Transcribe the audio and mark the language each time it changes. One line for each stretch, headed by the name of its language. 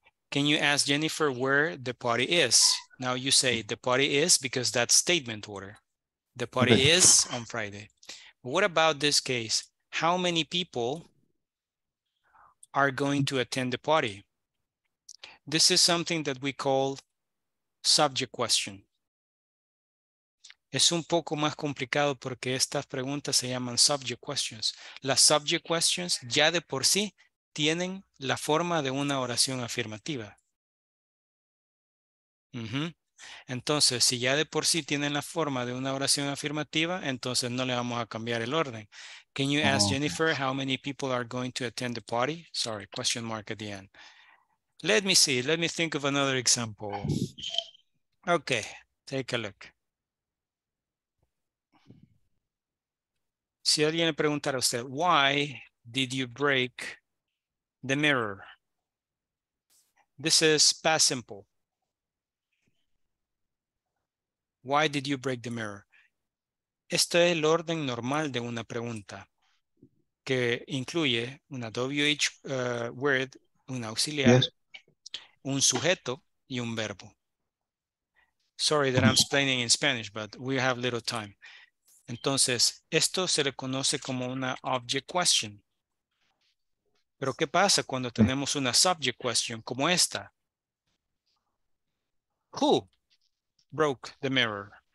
English: Can you ask Jennifer where the party is? Now you say the party is because that's statement order. The party is on Friday. What about this case? How many people are going to attend the party? This is something that we call subject question.
Spanish: Es un poco más complicado porque estas preguntas se llaman subject questions. Las subject questions ya de por sí tienen la forma de una oración afirmativa. Uh-huh. Entonces, si ya de por sí tienen la forma de una oración afirmativa, entonces no le vamos a cambiar el orden.
English: Can you ask Jennifer how many people are going to attend the party? Sorry, question mark at the end. Let me see. Let me think of another example. Okay, take a look.
Spanish: Si alguien le preguntara a usted,
English: why did you break the mirror? This is past simple. Why did you break the mirror?
Spanish: Este es el orden normal de una pregunta que incluye una WH word, un auxiliar, yes. un sujeto y un verbo.
English: Sorry that I'm explaining in Spanish, but we have little time.
Spanish: Entonces, esto se le conoce como una object question. Pero ¿qué pasa cuando tenemos una subject question como esta?
English: Who broke the mirror?